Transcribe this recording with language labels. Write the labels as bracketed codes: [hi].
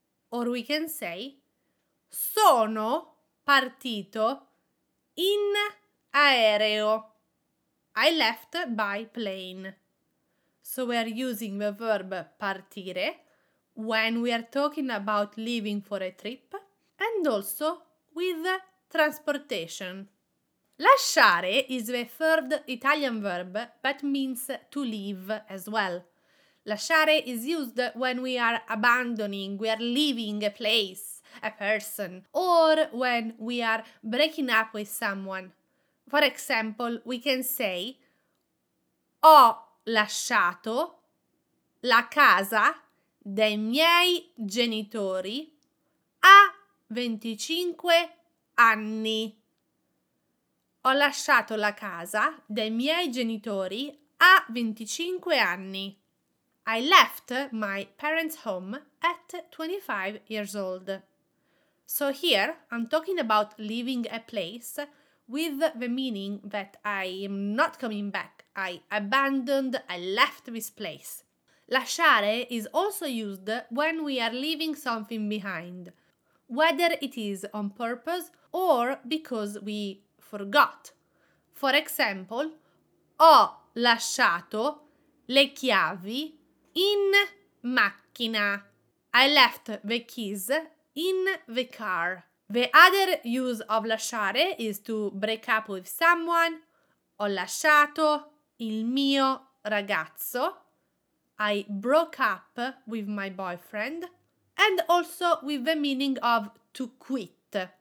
[en] Or we can say [it] sono partito in aereo. [en] I left by plane. So we are using the verb partire when we are talking about leaving for a trip and also with transportation. Lasciare is the third Italian verb that means to leave as well. Lasciare is used when we are abandoning, we are leaving a place, a person, or when we are breaking up with someone. For example, we can say [it] ho lasciato la casa dei miei genitori a 25 anni. Ho lasciato la casa dei miei genitori a 25 anni. [en] I left my parents' home at 25 years old. So here I'm talking about leaving a place with the meaning that I am not coming back. I abandoned, I left this place. Lasciare is also used when we are leaving something behind, whether it is on purpose or because we forgot. For example, [it] ho lasciato le chiavi in macchina. [en] I left the keys in the car. The other use of lasciare is to break up with someone. [it] Ho lasciato il mio ragazzo. [en] I broke up with my boyfriend. And also with the meaning of to quit.